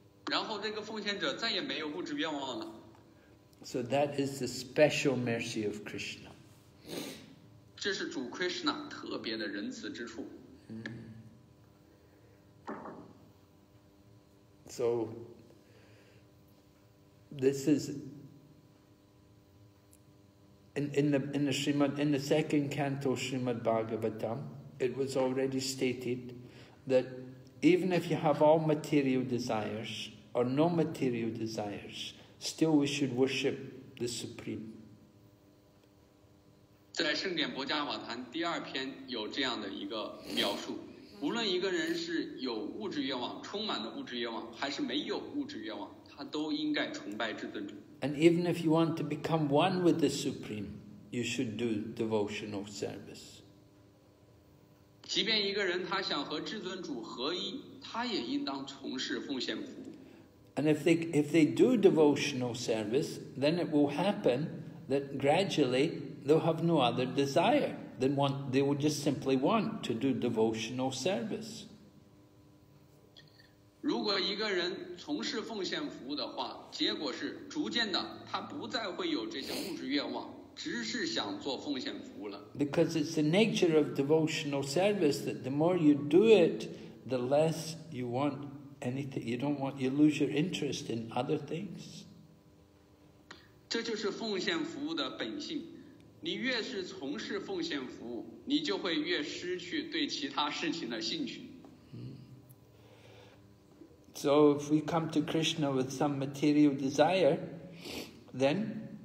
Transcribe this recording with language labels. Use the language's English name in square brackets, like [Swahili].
[Chinese] 然后这个奉献者再也没有物质愿望了。 [English] So that is the special mercy of Krishna. [Chinese] 这是主 Krishna 特别的仁慈之处。 [English] So this is in the Srimad in the second canto Srimad Bhagavatam. It was already stated that even if you have all material desires or no material desires, still we should worship the Supreme. [Chinese] 在圣典博迦瓦坛第二篇有这样的一个描述，无论一个人是有物质愿望，充满的物质愿望，还是没有物质愿望，他都应该崇拜至尊者。 [English] And even if you want to become one with the Supreme, you should do devotional service. [Chinese] 即便一个人他想和至尊主合一，他也应当从事奉献服务。 [English] And if they do devotional service, then it will happen that gradually they'll have no other desire than want. They will just simply want to do devotional service. [Chinese] 如果一个人从事奉献服务的话，结果是逐渐的，他不再会有这些物质愿望。只是想做奉献服务了。 [English] Because it's the nature of devotional service that the more you do it, the less you want anything. You don't want, you lose your interest in other things. [Chinese] 这就是奉献服务的本性。你越是从事奉献服务，你就会越失去对其他事情的兴趣。 [English] So if we come to Krishna with some material desire, then.